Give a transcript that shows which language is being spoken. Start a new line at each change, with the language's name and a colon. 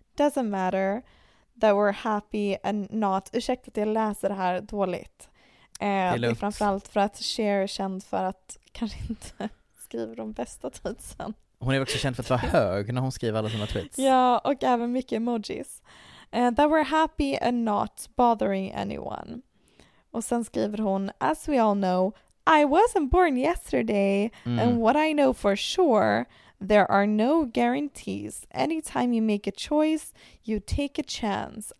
English: Doesn't matter that we're happy and not.
Swedish: Ursäkta att jag läser det här dåligt. Det är framförallt för att Cher är känd för att kanske inte skriva de bästa tweetsen. Hon är också känd för att vara hög när hon skriver alla sina tweets. Ja, och även mycket emojis.
English: That we're happy and not bothering anyone.
Swedish: Och sen skriver hon,
English: as we all know, I wasn't born yesterday. And what I know for sure, there are no guarantees. Anytime you make a choice, you take a chance.